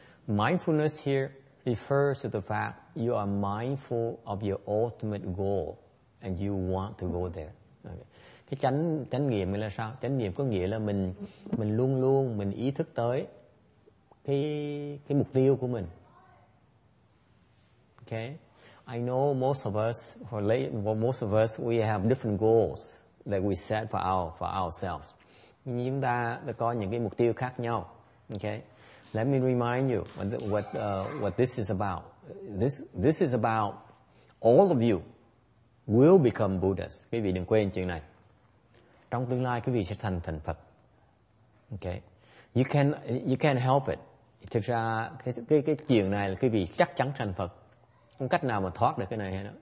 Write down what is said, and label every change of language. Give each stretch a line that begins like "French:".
English: Mindfulness here refers to the fact you are mindful of your ultimate goal and you want to go there. Okay.
Vietnamese: Cái chánh niệm là sao? Chánh niệm có nghĩa là mình luôn luôn mình ý thức tới cái mục tiêu của mình.
English: Okay. I know most of us we have different goals that we set for ourselves.
Vietnamese: Nhưng chúng ta có những cái mục tiêu khác nhau.
English: Okay. Let me remind you what this is about. This is about all of you will become Buddhas.
Vietnamese: Quý vị đừng quên chuyện này. Trong tương lai quý vị sẽ thành Phật.
English: Okay. You can help it.
Vietnamese: Thực ra cái chuyện này là quý vị chắc chắn thành Phật. Không cách nào mà thoát được cái này hết.